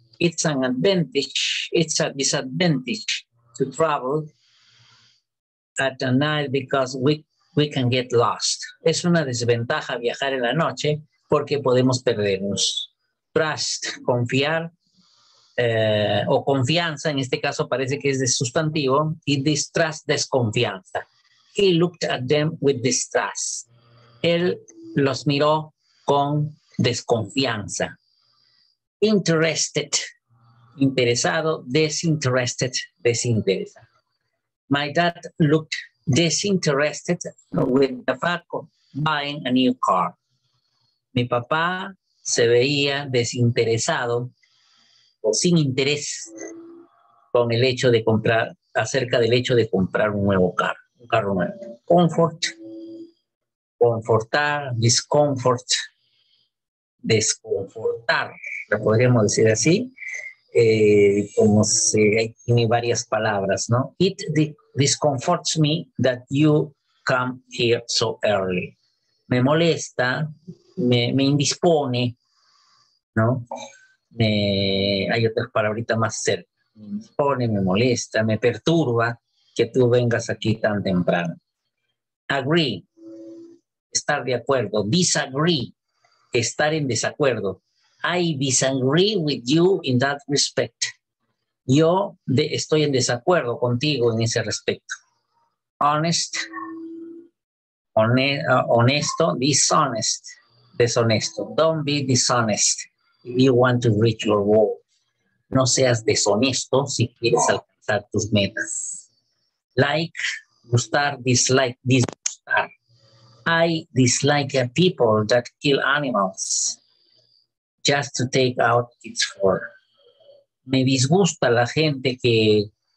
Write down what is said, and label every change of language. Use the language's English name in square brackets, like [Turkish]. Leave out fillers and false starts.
[English] It's an advantage, it's a disadvantage to travel at the night because we can get lost. [Spanish] Es una desventaja viajar en la noche porque podemos perdernos. Trust, confiar, o confianza, en este caso parece que es de sustantivo, y distrust, desconfianza. [English] He looked at them with distrust. [Spanish] Él los miró con desconfianza. Interested, interesado, disinterested, desinteresado. [English] My dad looked disinterested with the fact of buying a new car. [Spanish] Mi papá se veía desinteresado o sin interés con el hecho de comprar, acerca del hecho de comprar un nuevo carro, un carro nuevo. Comfort, confortar, discomfort, desconfortar, lo podríamos decir así, como si tiene varias palabras, ¿no? [English] It discomforts me that you come here so early. [Spanish] Me molesta, me indispone, ¿no? Hay otras palabritas más cerca. Me indispone, me molesta, me perturba que tú vengas aquí tan temprano. Agree. Estar de acuerdo, disagree, estar en desacuerdo. [English] I disagree with you in that respect. [Spanish] Yo estoy en desacuerdo contigo en ese respecto. Honest, honesto, dishonest, deshonesto. [English] Don't be dishonest if you want to reach your goal. [Spanish] No seas deshonesto si quieres alcanzar tus metas. [English] Like, gustar, dislike, disgustar. I dislike people that kill animals just to take out its fur. [Spanish] Me disgusta la gente que